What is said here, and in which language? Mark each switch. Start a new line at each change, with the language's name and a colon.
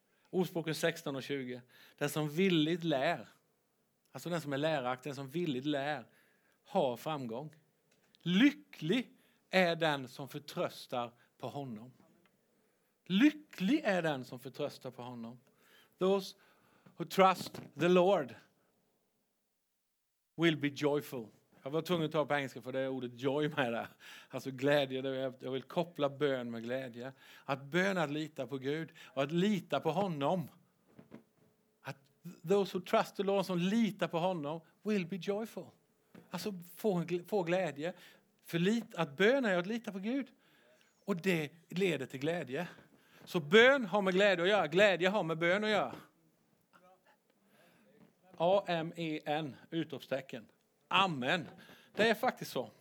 Swedish: Ordspråken 16 och 20. Den som villigt lär, alltså den som är läraktig, den som villigt lär, har framgång. Lycklig är den som förtröstar på honom. Lycklig är den som förtröstar på honom.
English: Those who trust the Lord will be joyful.
Swedish: Jag var tvungen att ta på engelska för det är ordet joy med det. Alltså glädje. Jag vill koppla bön med glädje. Att bön att lita på Gud. Och att lita på honom. Att
English: those who trust the Lord
Swedish: som litar på honom
English: will be joyful.
Swedish: Alltså få glädje. För att bön är att lita på Gud. Och det leder till glädje. Så bön har med glädje att göra. Glädje har med bön att göra. Amen. Utropstecken. Amen. Det är faktiskt så.